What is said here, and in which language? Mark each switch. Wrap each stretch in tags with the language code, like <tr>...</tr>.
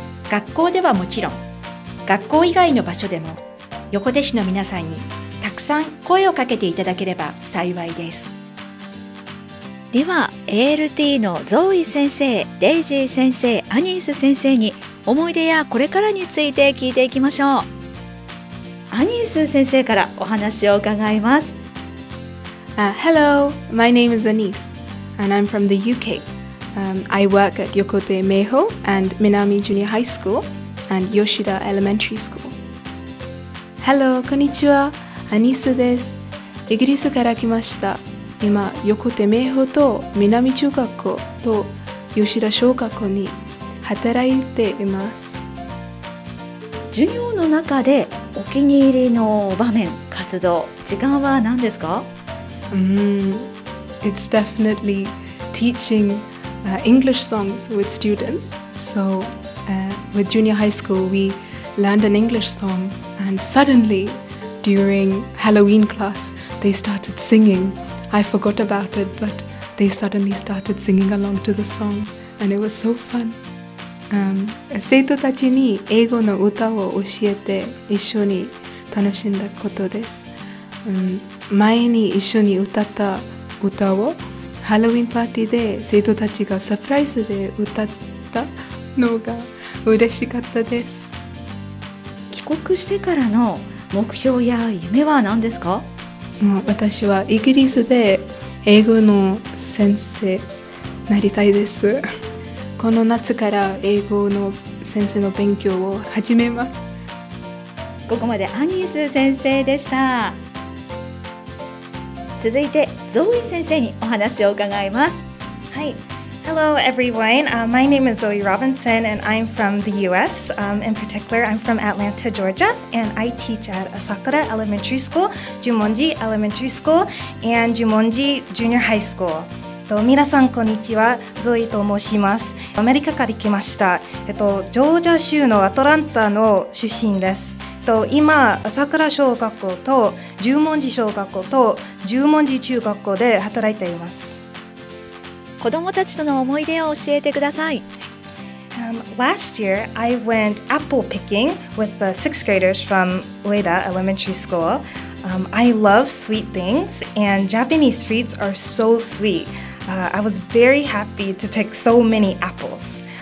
<ja>学校ではもちろん、学校以外の場所でも横手市の皆さんにたくさん声をかけていただければ幸いです。では ALT のゾーイ先生、デイジー先生、アニース先生に思い出やこれからについて聞いていきましょう。アニース先生からお話を伺います。</ja> <en>Hello, my name is Anise and I'm from the UK. I work at 横手明峰 and 南 Junior High SchoolAnd Yoshida Elementary School.</en> <ja>Hello, こんにちは。アニスです。イギリスから来ました。今、横手明峰と南中学校と吉田小学校に働いています。授業の中でお気に入りの場面、活動、時間は何ですか？</ja> <en>It's definitely teaching English songs with students. So,with junior high school, we learned an English song, and suddenly, during Halloween class, they started singing. I forgot about it, but they suddenly started singing along to the song, and it was so fun.</en> <ja>生徒たちに英語の歌を教えて一緒に楽しんだことです。前に一緒に歌った歌を、Halloween パーティーで生徒たちがサプライズで歌ったのが、嬉しかったです。帰国してからの目標や夢は何ですか？私はイギリスで英語の先生なりたいです。この夏から英語の先生の勉強を始めます。ここまでアニース先生でした。続いてゾーイ先生にお話を伺います。</ja> <en>はい、Hello everyone, my name is Zoe Robinson and I'm from the U.S. In particular, I'm from Atlanta, Georgia and I teach at Asakura Elementary School, Jumonji Elementary School and Jumonji Junior High School.</en> <ja>皆さんこんにちは、ゾイと申します。アメリカから来ました。ジョージア州のアトランタの出身です。今さくら小学校と十文字小学校と十文字中学校で働いています。子どもたちとの思い出を教えてください。</ja> <en>Last year, I went apple picking with the sixth graders from Ueda Elementary School. I love sweet things, and Japanese sweets are so sweet. I was very happy to pick so many apples.</en>